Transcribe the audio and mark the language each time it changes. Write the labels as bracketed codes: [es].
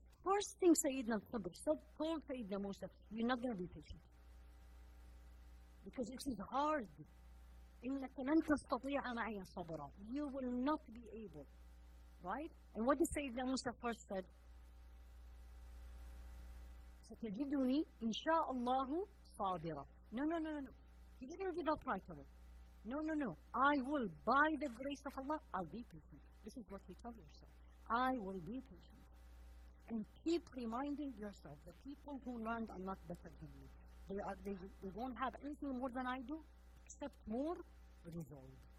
[en] First thing Sayyidina al-Khidr said, told Sayyidina Musa, you're not going to be patient. Because it is hard. [ar] إِنَّكَ لَنْ تَسْتَطِيعَ مَعِيَ صَبْرًا. [en] You will not be able. Right? And what did Sayyidina Musa first said? [ar] ستجدني إن شاء الله صابرة. [en] No. He didn't give up right away. No. I will, by the grace of Allah, I'll be patient. This is what he told yourself. I will be patient. And keep reminding yourself, the people who learned are not better than you. They won't have anything more than I do, except more resolve.